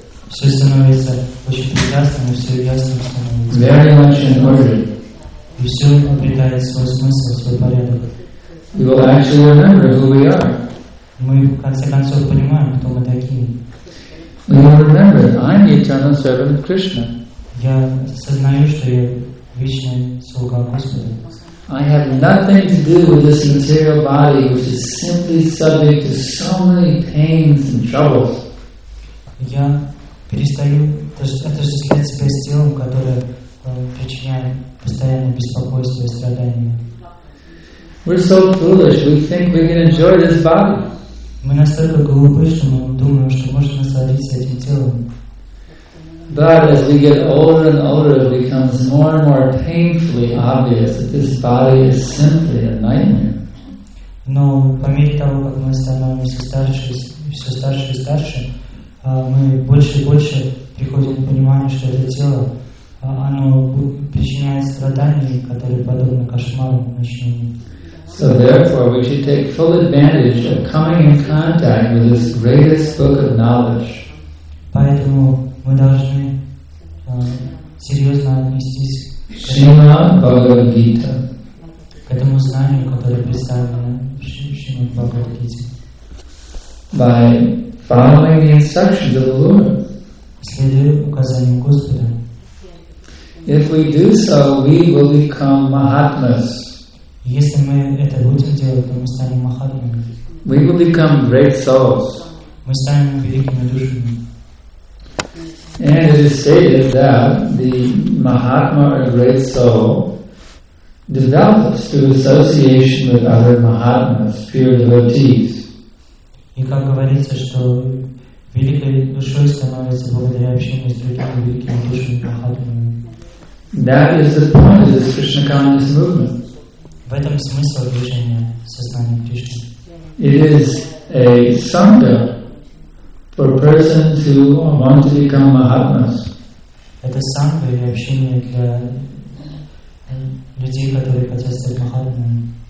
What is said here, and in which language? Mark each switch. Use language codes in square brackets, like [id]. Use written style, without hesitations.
[ru] все становится очень прекрасным, и все ясным становится. [en] Very much in order. [ru] И все обретает свой смысл, свой порядок. [en] We will actually remember who we are. [ru] Мы в конце концов понимаем, кто мы такие. [en] We will remember, I'm the eternal servant of Krishna. [ru] Я осознаю, что я вечный слуга Господа. [en] I have nothing to do with this material body, which is simply subject to so many pains and troubles. [ru] Я перестаю отождествлять себя с телом, которое причиняет постоянное беспокойство и страдания. [en] We're so foolish, we think we can enjoy this body. [ru] Мы настолько глупы, что мы думаем, что можем насладиться этим телом. [en] But as we get older and older, it becomes more and more painfully obvious that this body is simply a nightmare. [ru] Но по мере того, как мы становимся старше, все старше и старше, мы больше и больше приходим к пониманию, что это тело, оно причиняет страдания, которые подобны кошмарам ночному. [en] So therefore, we should take full advantage of coming in contact with this greatest book of knowledge. [ru] Поэтому мы должны серьезно отнестись Шримад-Бхагавад-Гита. К этому знанию, которое представлено в Шримад-Бхагавад-Гите. [en] By following the instructions of the Lord. [ru] Следуя указаниям Господа. [en] If we do so, we will become Mahatmas. [ru] Если мы это будем делать, то мы станем Mahatmas. [en] We will become great souls. [ru] Мы станем великими душами. [en] And it is stated that the Mahatma or great soul develops through association with other Mahatmas, pure devotees. [ru] И как говорится, что великой душой становится благодаря общению с другими великими душами Махатмами. [en] That is the point of this Krishna consciousness movement. [ru] В этом смысл движения сознания Кришны. [en] It is a sangha for persons who want to become Mahatmas. [ru] Это сангха или общение для людей, которые хотят стать Махатмами.